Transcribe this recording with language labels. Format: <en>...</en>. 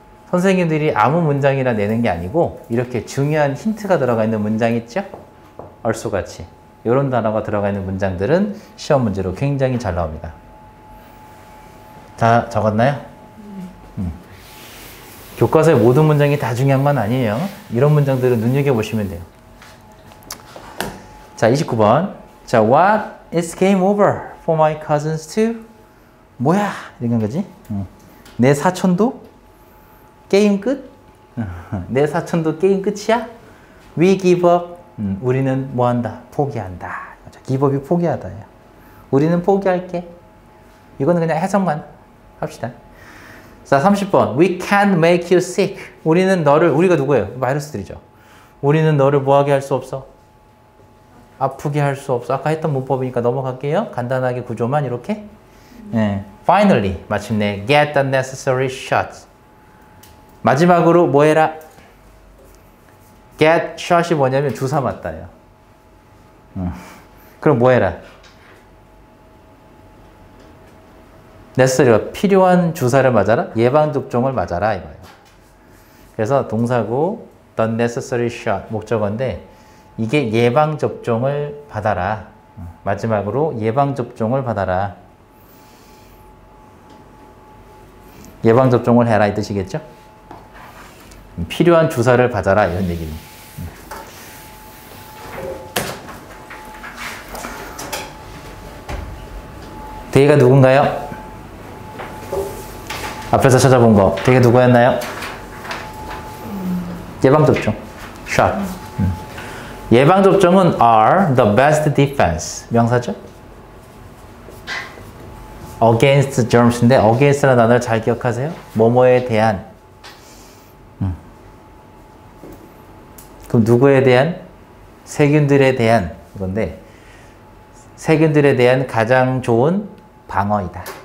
<ko>선생님들이 아무 문장이나 내는 게 아니고 이렇게 중요한 힌트가 들어가 있는 문장 있죠? 얼쏘같이. 이런 단어가 들어가 있는 문장들은 시험 문제로 굉장히 잘 나옵니다. 다 적었나요? 교과서의 모든 문장이 다 중요한 건 아니에요. 이런 문장들은 눈여겨보시면 돼요. 자, 29번.</ko> <en>자, what is game over for my cousins too?</en> <ko>뭐야? 이런 거지? 내 사촌도? 게임 끝? 내 사촌도 게임 끝이야?</ko> <en>We give up.</en> <ko>우리는 뭐한다? 포기한다. 그렇죠? Give up이 포기하다예요. 우리는 포기할게. 이거는 그냥 해석만 합시다.</ko> <en>자, 30번. We can't make you sick.</en> <ko>우리는 너를, 우리가 누구예요? 바이러스들이죠. 우리는 너를 뭐하게 할 수 없어? 아프게 할 수 없어. 아까 했던 문법이니까 넘어갈게요. 간단하게 구조만 이렇게. 네.</ko> <en>Finally, 마침내 get the necessary shots.</en> <ko>마지막으로 뭐 해라? Get shot이 뭐냐면 주사 맞다예요. 그럼 뭐 해라? Necessary가 필요한 주사를 맞아라? 예방접종을 맞아라 이거예요. 그래서 동사구 the necessary shot 목적어인데 이게 예방접종을 받아라. 마지막으로 예방접종을 받아라. 예방접종을 해라 이 뜻이겠죠? 필요한 주사를 받아라 이런 얘기입니다. 대이가 누군가요? 앞에서 찾아본 거. 대이가 누구였나요? 예방접종. Shot. 예방접종은</ko> <en>are the best defense.</en> <ko>명사죠? Against germs인데 against라는 단어를 잘 기억하세요? 뭐뭐에 대한. 그럼 누구에 대한? 세균들에 대한 건데 세균들에 대한 가장 좋은 방어이다.</ko>